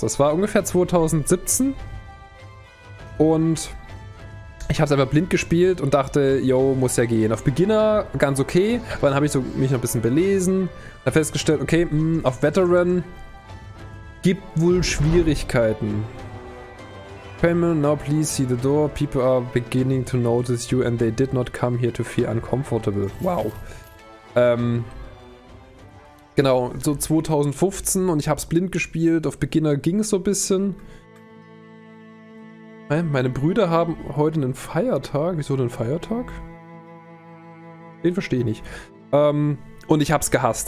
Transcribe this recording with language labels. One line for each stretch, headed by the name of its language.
German: Das war ungefähr 2017. Und ich habe es einfach blind gespielt und dachte, yo, muss ja gehen. Auf Beginner ganz okay, aber dann habe ich mich noch ein bisschen belesen. Da festgestellt, okay, auf Veteran gibt wohl Schwierigkeiten.
English: Payment, now please see the door. People are beginning to notice you and they did not come here to feel uncomfortable. Wow.
German: Genau, so 2015 und ich habe es blind gespielt. Auf Beginner ging es so ein bisschen. Meine Brüder haben heute einen Feiertag. Wieso einen Feiertag? Den verstehe ich nicht. Und ich habe es gehasst.